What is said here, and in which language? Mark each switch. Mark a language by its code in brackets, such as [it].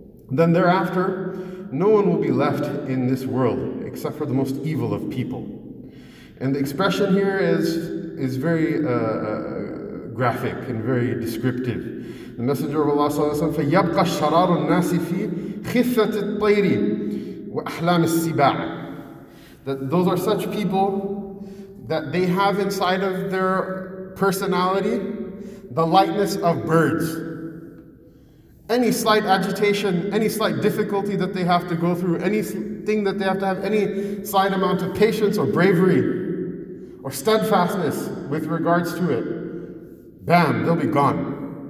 [en] Then thereafter, no one will be left in this world except for the most evil of people. And the expression here is very graphic and very descriptive. The Messenger of Allah [ar] صلى الله عليه وسلم, فيبقى الشرار الناس في خفة الطير وأحلام السباع. [en] That those are such people that they have inside of their personality the lightness of birds. Any slight agitation, any slight difficulty that they have to go through, anything that they have to have, any slight amount of patience or bravery or steadfastness with regards to it, bam, they'll be gone.